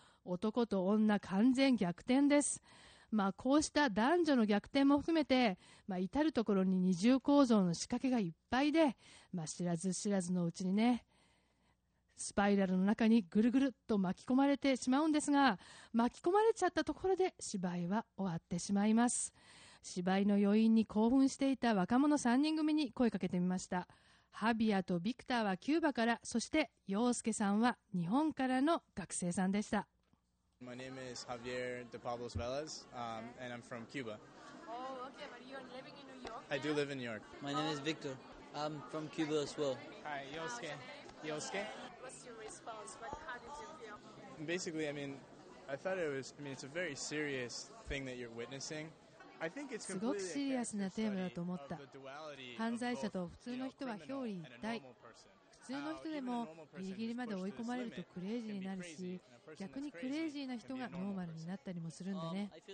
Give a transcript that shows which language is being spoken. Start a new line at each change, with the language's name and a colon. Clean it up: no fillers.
Japanese: 男と女完全逆転です。まあ、こうした男女の逆転も含めて、まあ、至る所に二重構造の仕掛けがいっぱいで、まあ、知らず知らずのうちにねスパイラルの中にぐるぐると巻き込まれてしまうんですが、巻き込まれちゃったところで芝居は終わってしまいます。芝居の余韻に興奮していた若者3人組に声かけてみました。ハビアとビクターはキューバから、そして陽介さんは日本からの学生さんでした。
English: My name is Javier de Pablos Velez, and I'm from Cuba. Oh, okay, but you're living in New York? I do live in New York. My name is Victor. I'm from Cuba as well. Hi, Yosuke. Yosuke? What's your response? How did you feel? Basically, I mean, I thought it was, I mean, it's a very serious thing that you're witnessing.
Japanese: すごくシリアスなテーマだと思った。犯罪者と普通の人は表裏一体、普通の人でもギリギリまで追い込まれるとクレイジーになるし、逆にクレイジーな人がノーマルになったりもするんだね。